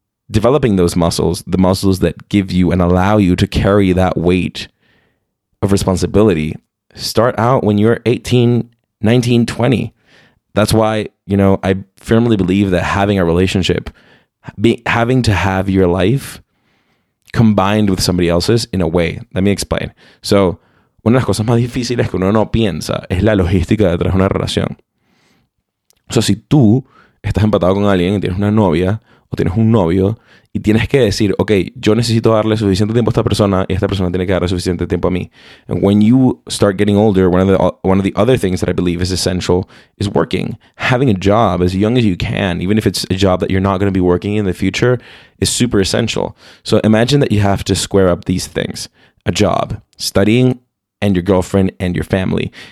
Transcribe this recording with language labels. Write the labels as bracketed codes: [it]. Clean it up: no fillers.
[en] Developing those muscles, the muscles that give you and allow you to carry that weight of responsibility, start out when you're 18, 19, 20. That's why, you know, I firmly believe that having a relationship, having to have your life combined with somebody else's in a way. Let me explain. [es] So, una de las cosas más difíciles que uno no piensa es la logística detrás de una relación. O sea, si tú estás empatado con alguien y tienes una novia o tienes un novio y tienes que decir, ok, yo necesito darle suficiente tiempo a esta persona y esta persona tiene que darle suficiente tiempo a mí. [en] And when you start getting older, one of the other things that I believe is essential is working. Having a job as young as you can, even if it's a job that you're not going to be working in the future, is super essential. So imagine that you have to square up these things. A job, studying, and your girlfriend and your family.